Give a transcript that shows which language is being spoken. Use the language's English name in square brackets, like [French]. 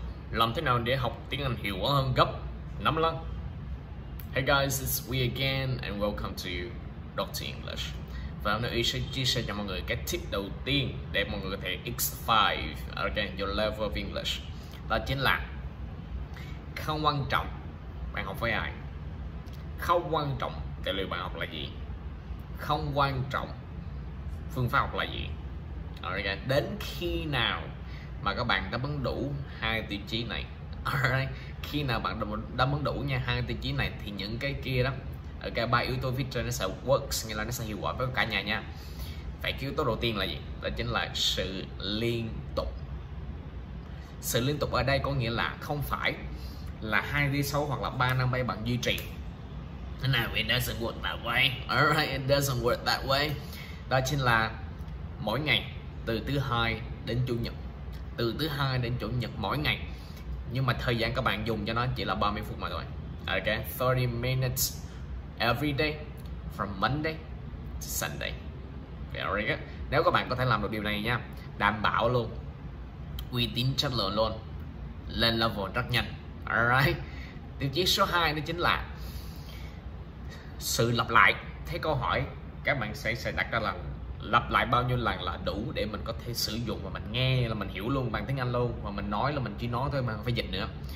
[Vietnamese] Làm thế nào để học tiếng Anh hiệu quả hơn gấp 5 lần? [English] Hey guys, it's we again and welcome to Dr. English. [Vietnamese] Và hôm nay sẽ chia sẻ cho mọi người cái tip đầu tiên để mọi người có thể [English] X5 again your level of English. [Vietnamese] Đó chính là không quan trọng bạn học với ai, không quan trọng tài liệu bạn học là gì, không quan trọng phương pháp học là gì. Again, đến khi nào mà các bạn đáp ứng đủ hai tiêu chí này, alright, khi nào bạn đáp ứng đủ nha hai tiêu chí này thì những cái kia đó, ok, ba yếu tố phía trên nó sẽ works, nghĩa là nó sẽ hiệu quả với cả nhà nha. Vậy yếu tố đầu tiên là gì? Đó chính là sự liên tục. Sự liên tục ở đây có nghĩa là không phải là 2-6 hoặc là 3-5 bay bạn duy trì. [English] Now it doesn't work that way. Alright, it doesn't work that way. [Vietnamese] Đó chính là mỗi ngày từ thứ hai đến chủ nhật. Từ thứ hai đến chủ nhật mỗi ngày. Nhưng mà thời gian các bạn dùng cho nó chỉ là 30 phút mà thôi. [English] Ok, 30 minutes every day from Monday to Sunday. Very good. [Vietnamese] Nếu các bạn có thể làm được điều này nha, đảm bảo luôn uy tín chất lượng luôn, lên level rất nhanh. Alright. Tiêu chí số 2 đó chính là sự lặp lại. Thế câu hỏi các bạn sẽ đặt ra là lặp lại bao nhiêu lần là đủ để mình có thể sử dụng và mình nghe là mình hiểu luôn bằng tiếng Anh luôn, và mình nói là mình chỉ nói thôi mà không phải dịch nữa.